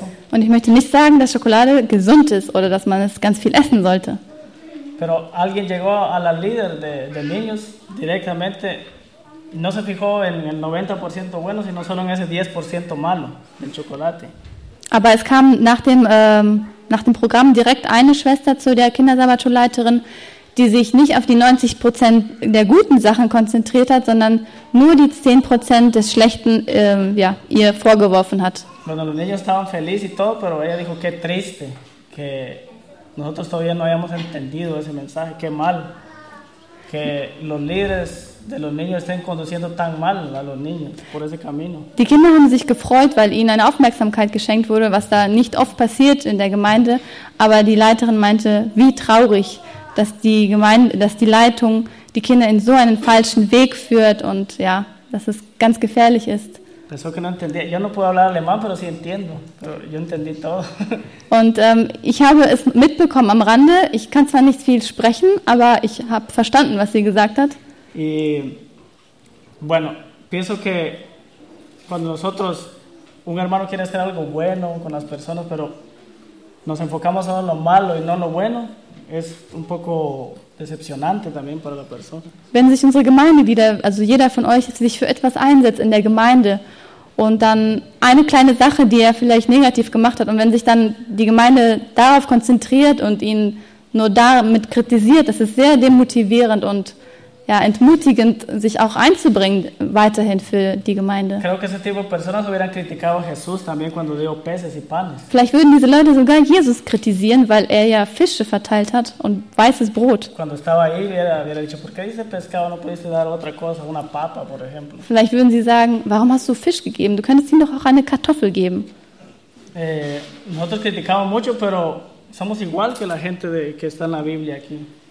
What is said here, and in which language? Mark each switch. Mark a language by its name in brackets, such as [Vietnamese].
[German] Und ich möchte nicht sagen, dass Schokolade gesund ist oder dass man es ganz viel essen sollte. [Spanish] Pero alguien llegó a la líder de niños directamente, no se fijó en el 90% bueno, sino solo en ese 10% malo del chocolate. [German] Aber es kam nach dem Programm direkt eine Schwester zu der Kindersabbatschulleiterin, die sich nicht auf die 90% der guten Sachen konzentriert hat, sondern nur die 10% des Schlechten ihr vorgeworfen hat. [Spanish] Bueno, los niños estaban felices y todo, pero ella dijo qué triste que nosotros todavía no habíamos entendido ese mensaje. Qué mal que los líderes de los niños estén conduciendo tan mal a los niños por ese camino. [German] Die Kinder haben sich gefreut, weil ihnen eine Aufmerksamkeit geschenkt wurde, was da nicht oft passiert in der Gemeinde. Aber die Leiterin meinte, wie traurig, dass die Leitung die Kinder in so einen falschen Weg führt und ja, dass es ganz gefährlich ist. [Spanish] Pensó que no entendía. Yo no puedo hablar alemán, pero sí entiendo. Pero yo entendí todo. [German] Und ich habe es mitbekommen am Rande. Ich kann zwar nicht viel sprechen, aber ich habe verstanden, was sie gesagt hat. [Spanish] Y bueno, pienso que cuando nosotros un hermano quiere hacer algo bueno con las personas, pero nos enfocamos solo en lo malo y no en lo bueno, es un poco decepcionante también para la persona. [German] Wenn sich unsere Gemeinde wieder, also jeder von euch sich für etwas einsetzt in der Gemeinde und dann eine kleine Sache, die er vielleicht negativ gemacht hat, und wenn sich dann die Gemeinde darauf konzentriert und ihn nur damit kritisiert, das ist sehr demotivierend und ja, entmutigend, sich auch einzubringen weiterhin für die Gemeinde. [Spanish] Creo que ese tipo de personas hubieran criticado a Jesús también cuando dio peces y panes. [German] Vielleicht würden diese Leute sogar Jesus kritisieren, weil er ja Fische verteilt hat und weißes Brot. [Spanish] Cuando estaba ahí, hubiera dicho, ¿por qué dice pescado? ¿No pudiste dar otra cosa? Una papa, por ejemplo. [German] Vielleicht würden sie sagen, warum hast du Fisch gegeben? Du könntest ihm doch auch eine Kartoffel geben. [Spanish] Nosotros criticamos mucho, pero somos igual que la gente que está en la Biblia aquí.